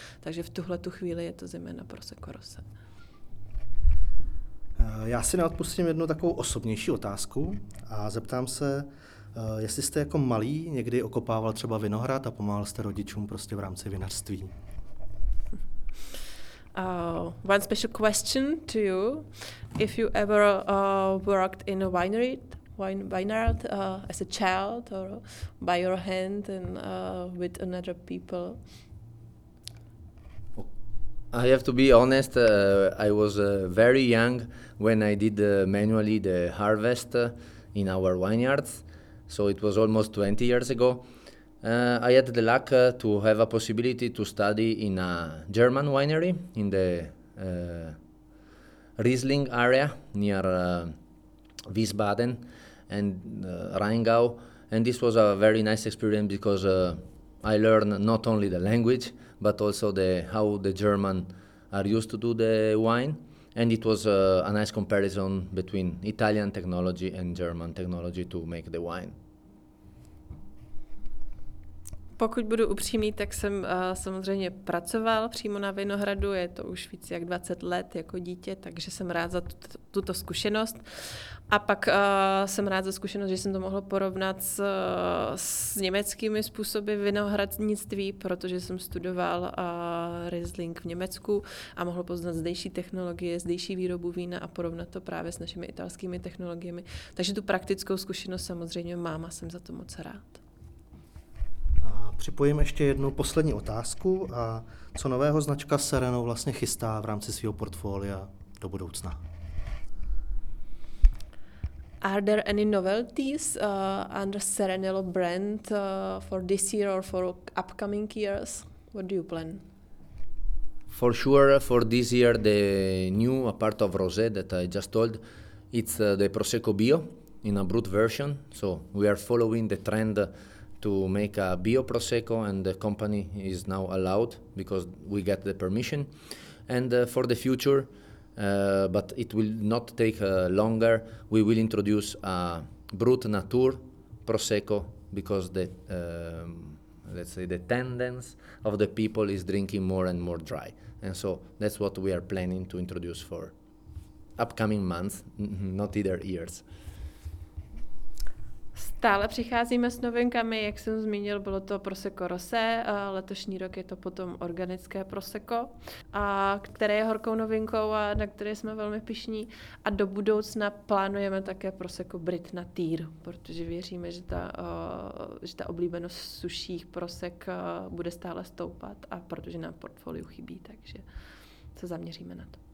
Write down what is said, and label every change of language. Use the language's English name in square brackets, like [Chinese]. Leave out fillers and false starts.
[Czech] Takže v tuhletu chvíli je to zejména Prosecco Rosé. Já si neodpustím jednu takovou osobnější otázku a zeptám se, jestli jste jako malý někdy okopával třeba vinohrad a pomáhal jste rodičům prostě v rámci vinařství. [English] One special question to you: if you ever worked in a vineyard as a child or by your hand and with another people? I have to be honest. I was very young when I did manually the harvest in our vineyards, so it was almost 20 years ago. I had the luck to have a possibility to study in a German winery in the Riesling area near Wiesbaden and Rheingau. And this was a very nice experience because I learned not only the language, but also the how the German are used to do the wine. And it was a nice comparison between Italian technology and German technology to make the wine. [Czech] Pokud budu upřímný, tak jsem samozřejmě pracoval přímo na vinohradu, je to už víc jak 20 let jako dítě, takže jsem rád za tuto zkušenost. A pak jsem rád za zkušenost, že jsem to mohla porovnat s německými způsoby vinohradnictví, protože jsem studoval Riesling v Německu a mohl poznat zdejší technologie, zdejší výrobu vína a porovnat to právě s našimi italskými technologiemi. Takže tu praktickou zkušenost samozřejmě mám a jsem za to moc rád. Připojím ještě jednu poslední otázku. A co nového značka Sereno vlastně chystá v rámci svého portfolia do budoucna? [English] Are there any novelties under Serenello brand for this year or for upcoming years? What do you plan? For sure, for this year, the new part of Rosé that I just told, it's the Prosecco Bio in a brut version. So we are following the trend to make a bio Prosecco, and the company is now allowed because we get the permission. And for the future, but it will not take longer, we will introduce a Brut Nature Prosecco because the let's say the tendency of the people is drinking more and more dry. And so that's what we are planning to introduce for upcoming months, not either years. [Czech] Stále přicházíme s novinkami, jak jsem zmínil, bylo to Prosecco Rosé, letošní rok je to potom organické Prosecco, a které je horkou novinkou a na které jsme velmi pyšní. A do budoucna plánujeme také Prosecco Brut Nature, protože věříme, že ta oblíbenost suších prosek bude stále stoupat, a protože nám portfolio chybí, takže se zaměříme na to.